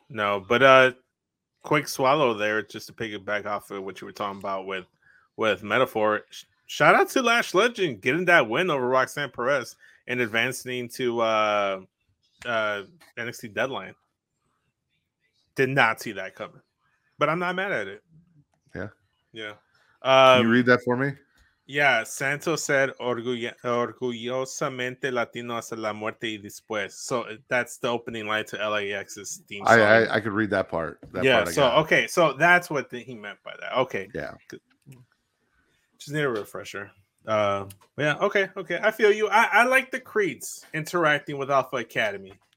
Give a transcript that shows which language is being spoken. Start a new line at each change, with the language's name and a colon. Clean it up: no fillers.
English: No, but quick swallow there just to piggyback off of what you were talking about with Metaphor. Shout out to Lash Legend getting that win over Roxanne Perez and advancing to NXT Deadline. Did not see that coming, but I'm not mad at it. Yeah. Yeah. Can you read that for me? Yeah, Santos said,
Spanish: orgullosamente Latino hasta la muerte y después.
English: So that's the opening line to LAX's theme song. I could read that part. Okay. So that's what he meant by that. Okay. Yeah. Just need a refresher. Yeah. Okay. Okay. I feel you. I like the Creeds interacting with Alpha Academy.